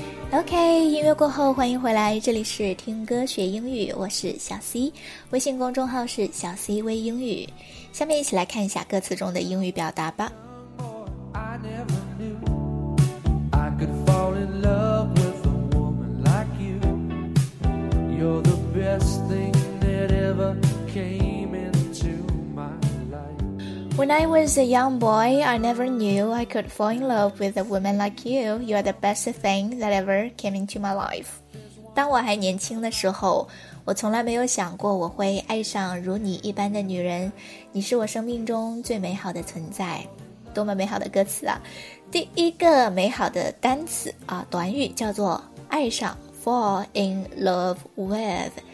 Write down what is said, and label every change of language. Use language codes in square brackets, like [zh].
[zh] OK， 音乐过后欢迎回来，这里是听歌学英语，我是小 C， 微信公众号是小 C 微英语。下面一起来看一下歌词中的英语表达吧。 [en] I never knew I could fall in love with a woman like you. You're the best thing that ever came into my life. When I was a young boy, I never knew I could fall in love with a woman like you. You are the best thing that ever came into my life. [zh] 当我还年轻的时候，我从来没有想过我会爱上如你一般的女人。你是我生命中最美好的存在。多么美好的歌词啊！第一个美好的单词啊，短语叫做爱上 fall in love with。